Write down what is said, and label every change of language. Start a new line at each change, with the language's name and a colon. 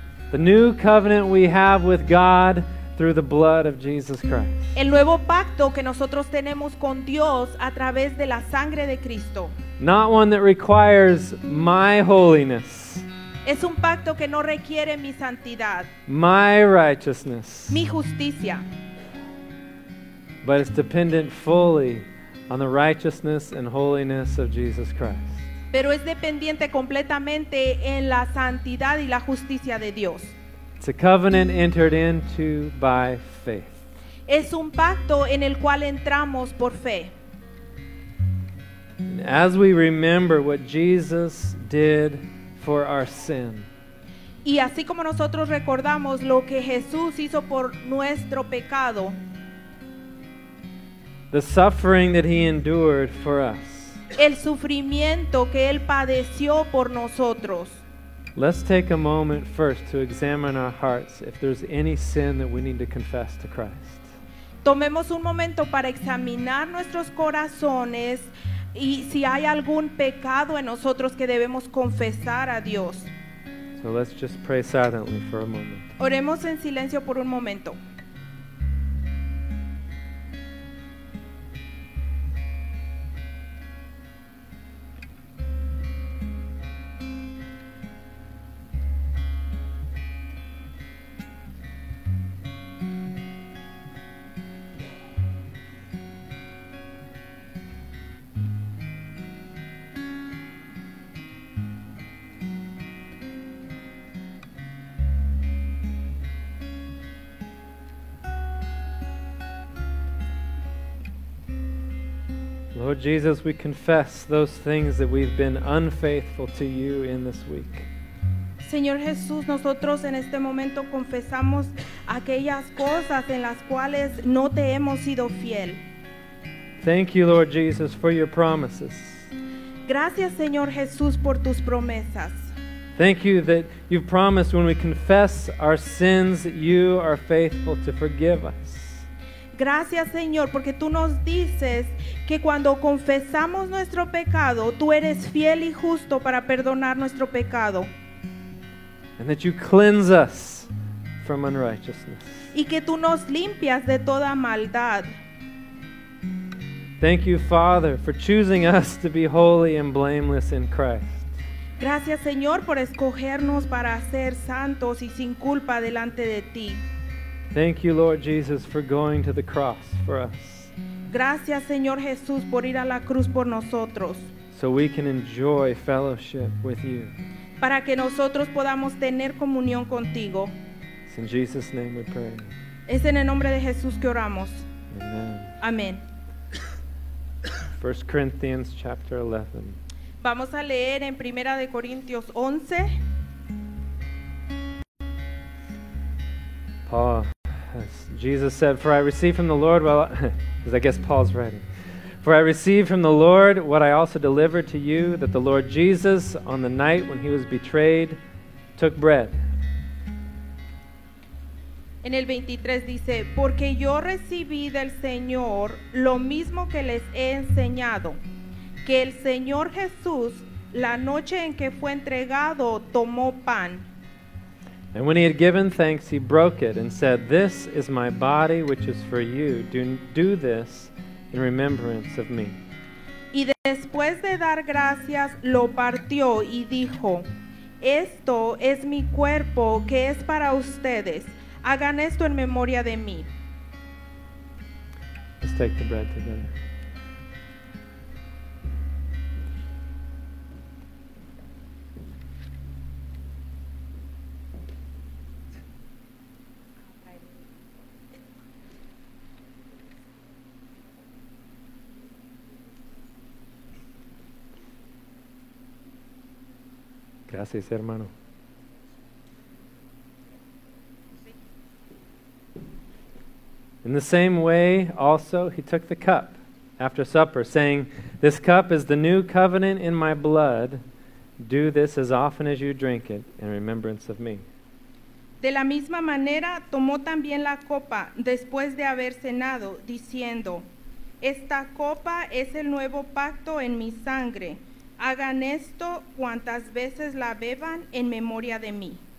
English: The new covenant we have with God through the blood of Jesus Christ.
Spanish: El nuevo pacto que nosotros tenemos con Dios a través de la sangre de Cristo.
English: Not one that requires my holiness.
Spanish: Es un pacto que no requiere mi santidad.
English: My righteousness.
Spanish: Mi justicia.
English: But it's dependent fully on the righteousness and holiness of Jesus Christ.
Spanish: Pero es dependiente completamente en la santidad y la justicia de Dios.
English: It's a covenant entered into by faith.
Spanish: Es un pacto en el cual entramos por fe.
English: As we remember what Jesus did for our sin.
Spanish: Y así como nosotros recordamos lo que Jesús hizo por nuestro pecado.
English: The suffering that he endured for us.
Spanish: El sufrimiento que él padeció por nosotros.
English: Let's take a moment first to examine our hearts if there's any sin that we need to confess to Christ.
Spanish: Tomemos un momento para examinar nuestros corazones y si hay algún pecado en nosotros que debemos confesar a Dios.
English: So let's just pray silently for a moment.
Spanish: Oremos en silencio por un momento.
English: Lord Jesus, we confess those things that we've been unfaithful to you in this week.
Spanish: Señor Jesús, nosotros en este momento confesamos aquellas cosas en las cuales no te hemos sido fiel.
English: Thank you, Lord Jesus, for your promises.
Spanish: Gracias, Señor Jesús, por tus promesas.
English: Thank you that you've promised when we confess our sins, you are faithful to forgive us.
Spanish: Gracias, Señor, porque tú nos dices que cuando confesamos nuestro pecado, tú eres fiel y justo para perdonar nuestro pecado.
English: And that you cleanse us from unrighteousness.
Spanish: Y que tú nos limpias de toda maldad.
English: Thank you, Father, for choosing us to be holy and blameless in Christ.
Spanish: Gracias, Señor, por escogernos para ser santos y sin culpa delante de ti.
English: Thank you, Lord Jesus, for going to the cross for us.
Spanish: Gracias, Señor Jesús, por ir a la cruz por nosotros.
English: So we can enjoy fellowship with you.
Spanish: Para que nosotros podamos tener comunión contigo.
English: It's in Jesus' name we pray.
Spanish: Es en el nombre de Jesús que oramos.
English: Amen. 1 Corinthians chapter 11.
Spanish: Vamos a leer en 1 de Corintios 11.
English: Paul, as Jesus said, "For I received from the Lord what," as I guess Paul's writing, "For I received from the Lord what I also delivered to you, that the Lord Jesus, on the night when he was betrayed, took bread."
Spanish: En el 23 dice, "Porque yo recibí del Señor lo mismo que les he enseñado, que el Señor Jesús, la noche en que fue entregado, tomó pan."
English: And when he had given thanks, he broke it and said, "This is my body, which is for you. Do this in remembrance of me."
Spanish: Y después de dar gracias, lo partió y dijo, "Esto es mi cuerpo, que es para ustedes. Hagan esto en memoria de mí."
English: Let's take the bread together.
Spanish: Gracias, hermano.
English: In the same way, also, he took the cup after supper, saying, "This cup is the new covenant in my blood. Do this as often as you drink it in remembrance of me."
Spanish: De la misma manera, tomó también la copa después de haber cenado, diciendo, "Esta copa es el nuevo pacto en mi sangre. Hagan esto cuantas veces la beban en memoria de mí."